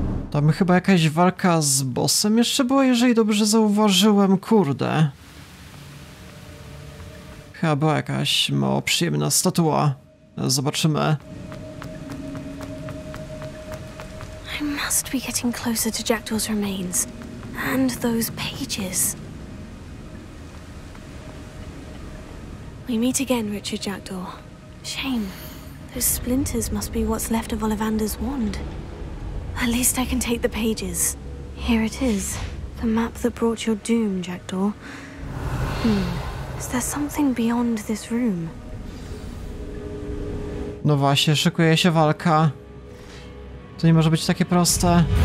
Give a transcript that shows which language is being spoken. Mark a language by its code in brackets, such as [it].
[pl] Tam chyba jakaś walka z bossem jeszcze była, jeżeli dobrze zauważyłem, kurde. Chyba była jakaś mało przyjemna statua. Zobaczymy. [en] I must be getting closer to Jackdaw's remains and those pages. We meet again, Richard Jackdaw. Shame. Those splinters must be what's left of Ollivander's wand. At least I can take the pages. Here it is. The map that brought your doom, Jackdaw. Is there something beyond this room? [pl] No właśnie, szykuje się walka. To nie może być takie proste.